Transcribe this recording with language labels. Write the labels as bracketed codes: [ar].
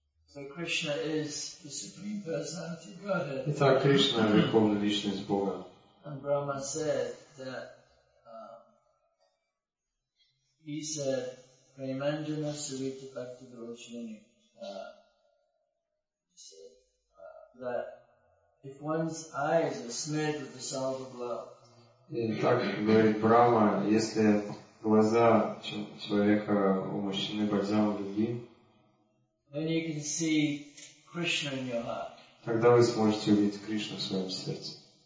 [en] So Krishna is the supreme personality of Godhead. [ru] Итак, Кришна — верховная личность Бога. [en] And Brahma said that he said [sa] Premanjana Sarita Bhakti Dorochani [en] said that if one's eyes are smeared with the salve of love. [ru] Так говорит Брама, если глаза человека умощены бальзамом любви, [en] then you can see Krishna in your heart. [ru] Тогда вы сможете увидеть Кришну в своем сердце.